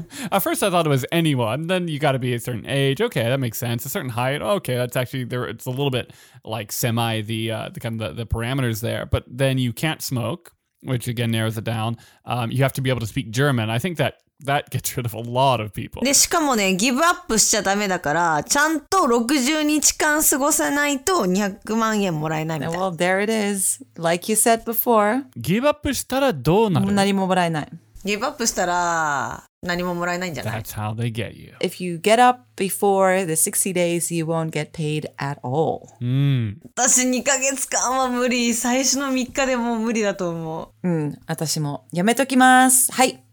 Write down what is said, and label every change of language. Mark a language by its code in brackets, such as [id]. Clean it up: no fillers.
[en] At first I thought it was anyone, then you got to be a certain age. Okay, that makes sense. A certain height. Okay, that's actually there. It's a little bit like semi the kind of the parameters there. But then you can't smoke, which again narrows it down. You have to be able to speak German. I think that gets rid of a lot of people. [ja] で、しかもね、ギブアップしちゃダメだから、ちゃんと60日間過ごさないと200万円もらえないみたいな。 [en] Well, there it is. Like you said before. [ja] ギブアップしたらどうなる？何ももらえない。ギブアップしたら何ももらえないんじゃない？ [en] That's how they get you. If you get up before the 60 days, you won't get paid at all. [ja] うん。私2ヶ月間は無理。最初の3日でも無理だと思う。うん、私も。やめときます。はい。